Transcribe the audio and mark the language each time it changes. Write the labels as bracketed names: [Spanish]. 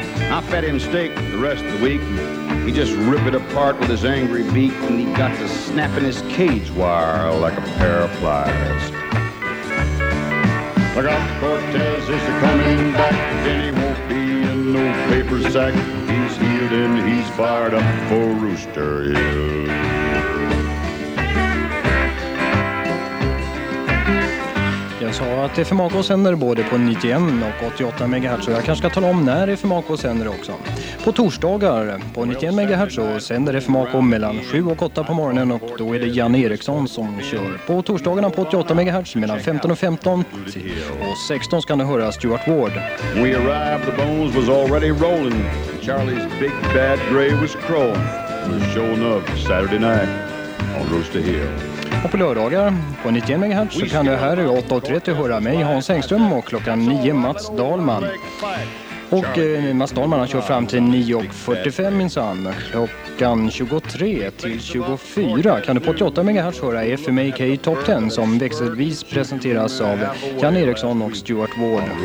[English] I fed him steak the rest of the week, and he just ripped it apart with his angry beak, and he got to snapping his cage wire like a pair of pliers. Look out, Cortez is coming back, and he won't be in no paper sack. He's healed and he's fired up for Rooster Hill. [Swedish] Jag sa att FMAK sänder både på 91 och 88 MHz, och jag kanske ska tala om när FMAK sänder också. På torsdagar på 91 MHz så sänder FMAK mellan 7 och 8 på morgonen, och då är det Jan Eriksson som kör. På torsdagarna på 88 MHz mellan 15 och 15 och 16 ska ni höra Stuart Ward. [English] We arrived, the bones was already rolling. Charlie's big bad gray was crowing. It was showing up Saturday night on Rooster Hill. [Swedish] Och på lördagar på 91 MHz så kan du här i 8.30 höra mig, Hans Engström, och klockan 9 Mats Dahlman. Och Mats Dahlman kör fram till 9.45 minsann. Klockan 23 till 24 kan du på 88 MHz höra FMAK Top 10, som växelvis presenteras av Jan Eriksson och Stuart Ward.